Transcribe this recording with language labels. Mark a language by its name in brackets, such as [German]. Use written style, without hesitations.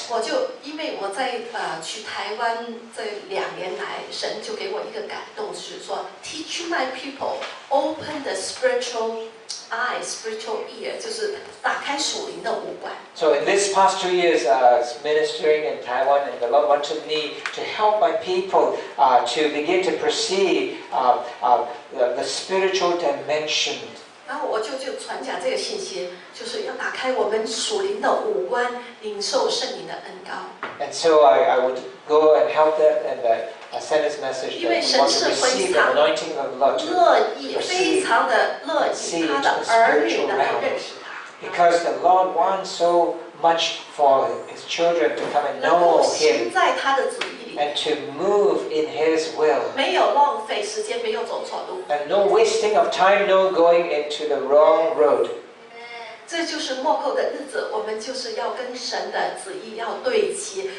[Chinese] 我就因为我在去台湾这两年来，神就给我一个感动，是说 [English] teach my people open the spiritual eye, spiritual ear, [Chinese] 就是打开属灵的五官。 [English] So in these past 2 years, ministering in Taiwan, and the Lord wanted me to help my people to begin to perceive the spiritual dimension. [Chinese] 然后我就传讲这个信息，就是要打开我们属灵的五官，领受圣灵的恩膏。 [English] And so I would go and help them and I sent this message that we want to receive the anointing of the Lord to receive the spiritual realm. Because the Lord wants so much for His children to come and know Him and to move in His will. And no wasting of time, no going into the wrong road. [Chinese] 这就是末后的日子，我们就是要跟神的旨意要对齐。